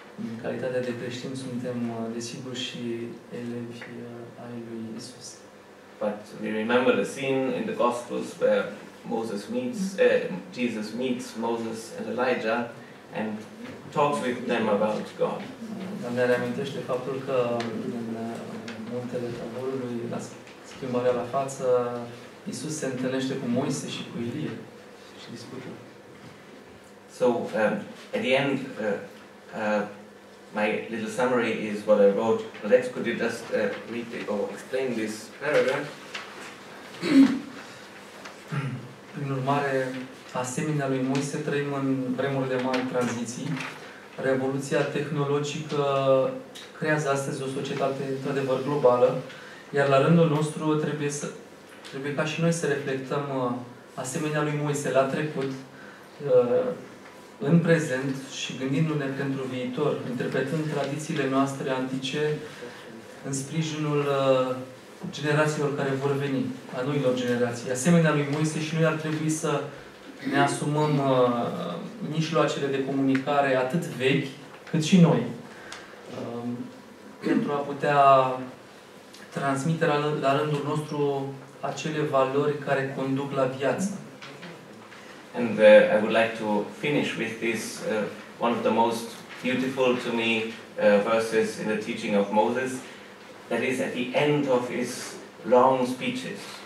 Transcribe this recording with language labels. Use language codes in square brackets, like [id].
[ro] În calitatea de creștini suntem desigur și elevi ai lui Isus. [en] But we remember the scene in the Gospels where Moses meets Jesus meets Moses and Elijah and talks with them about God. [ro] Ne reamintește faptul că în muntele Taborului, la schimbarea la față, Isus se întâlnește cu Moise și cu Ilie și discută. [en] So at the end my little summary is what I wrote. Let's could you just read it or explain this paragraph? [ro] Prin urmare, asemenea lui Moise, trăim în vremuri de mari tranziții. Revoluția tehnologică creează astăzi o societate într-adevăr globală, iar la rândul nostru trebuie ca și noi să reflectăm asemenea lui Moise la trecut, în prezent și gândindu-ne pentru viitor, interpretând tradițiile noastre antice în sprijinul generațiilor care vor veni, a noilor generații. Asemenea lui Moise și noi ar trebui să ne asumăm mijloacele de comunicare atât vechi cât și noi, pentru a putea transmite la rândul nostru acele valori care conduc la viață. [en] And I would like to finish with this one of the most beautiful to me verses in the teaching of Moses, that is at the end of his long speeches.